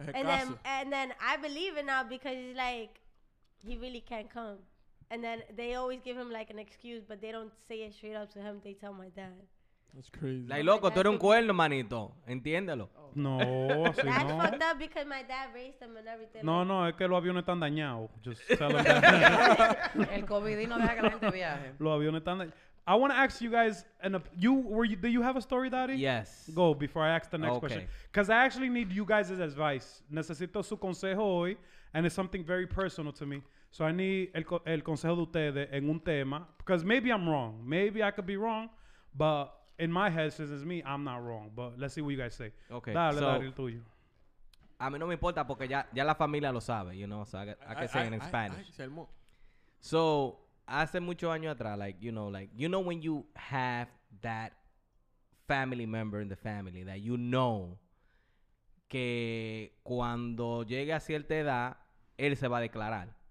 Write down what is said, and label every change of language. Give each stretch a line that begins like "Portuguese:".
English: And then I believe it now because he's, like, he really can't come. And then they always give him, like, an excuse, but they don't say it straight up to him. They tell my dad. That's crazy.
Spanish: Like, loco, tú eres un cuerno, manito. Entiéndelo. No, sí, no.
English: That's fucked up because my dad raised them and everything.
Spanish: No, like, no, es que los aviones están dañados.
English: Just tell them.
Spanish: El COVID no deja que la gente viaje. Los aviones están dañados.
English: I want to ask you guys, do you have a story, Daddy? Yes. Go, before I ask the next question. Because I actually need you guys' advice.
Spanish: Necesito su consejo hoy,
English: and it's something very personal to me. So I need
Spanish: el consejo de ustedes en un tema.
English: Because maybe I'm wrong. Maybe I could be wrong, but... In my head, since it's me, I'm not wrong. But let's see what you guys say. Okay.
Spanish: Dale, dale, el tuyo. A mí no me importa porque ya la familia lo sabe,
English: you know. So, I can say it in Spanish. So,
Spanish: hace muchos años atrás,
English: like, you know when you have that family member in the family that you know
Spanish: que cuando llegue a cierta edad, él se va a declarar.